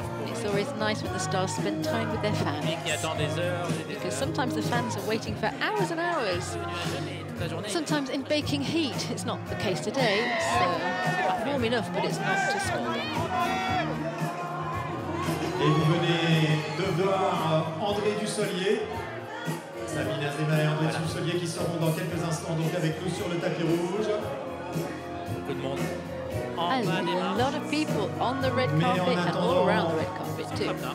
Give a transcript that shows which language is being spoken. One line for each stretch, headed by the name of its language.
English: It's always nice when the stars spend time with their fans.
French: Qui attend des heures.
English: Because sometimes the fans are waiting for hours and hours. Sometimes in baking heat, it's not the case today, so warm enough, but it's not to scald.
French: Et vous venez de voir André Dussolier, Sabine Azéma et André Dussolier qui seront dans quelques instants donc avec nous sur le tapis rouge. Beaucoup de monde.
English: A lot of people on the red carpet and all around the red carpet too.